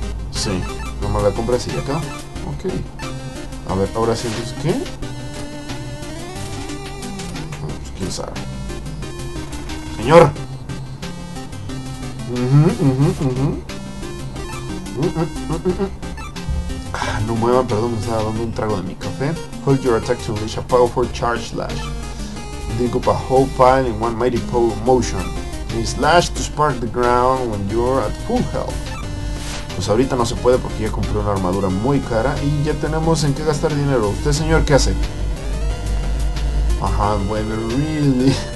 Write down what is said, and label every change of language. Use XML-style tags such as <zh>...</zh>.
<es>Sí. Nomás la compra así acá. Ok. A ver, ahora sí, entonces, ¿qué? Pues, quién sabe. ¡Señor! No mueva, perdón, me estaba dando un trago de mi café.</es> <en>Hold your attack to unleash a powerful charge slash. Dig up a whole pile in one mighty motion. And slash to spark the ground when you're at full health.</en> <es>Pues ahorita no se puede porque ya compré una armadura muy cara y ya tenemos en qué gastar dinero. ¿Usted, señor, qué hace? Ajá, bueno, really.</es>